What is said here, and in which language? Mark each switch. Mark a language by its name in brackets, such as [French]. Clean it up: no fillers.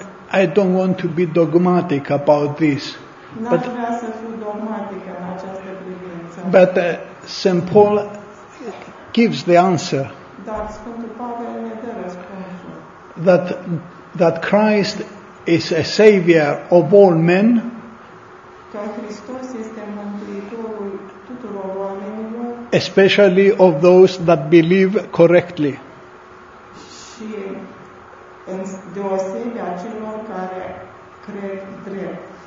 [English] I don't want to be dogmatic about this. [Romanian] But vrea să fiu dogmatică în această privință. [English] But St. Paul gives the answer. [Romanian] Dar Sfântul Pavel ne dă răspunsul. [English] That Christ is a savior of all men, [Romanian] că Hristos este mântuitorul tuturor oamenilor, [English] especially of those that believe correctly. [Romanian] Și în deosebire a celor care cred drept.